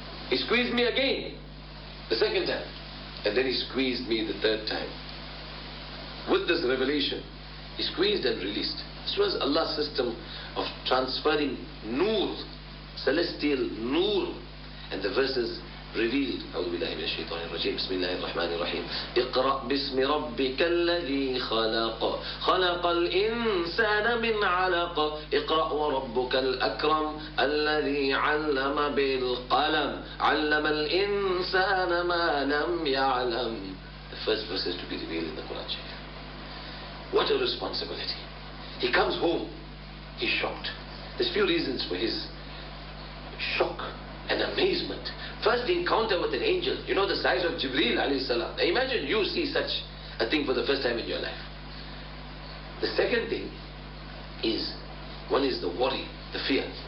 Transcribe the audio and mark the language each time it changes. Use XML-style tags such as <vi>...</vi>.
<en>He squeezed me again, the second time. And then he squeezed me the third time. With this revelation, he squeezed and released. This was Allah's system of transferring nur, celestial nur. And the verses revealed,</en> <ar>أعوذ بالله من الشيطان الرجيم بسم الله الرحمن الرحيم اقرأ باسم ربك الذي خلق خلق الإنسان من علق اقرأ وربك الأكرم الذي علم بالقلم علم الإنسان ما لم يعلم.</ar> <en>The first verse is to be revealed in the Quran Sharia. What a responsibility. He comes home, he's shocked. There's few reasons for his shock and amazement. First encounter with an angel, you know, the size of Jibreel alayhi salam. Imagine you see such a thing for the first time in your life. The second thing is, one is the worry, the fear.</en>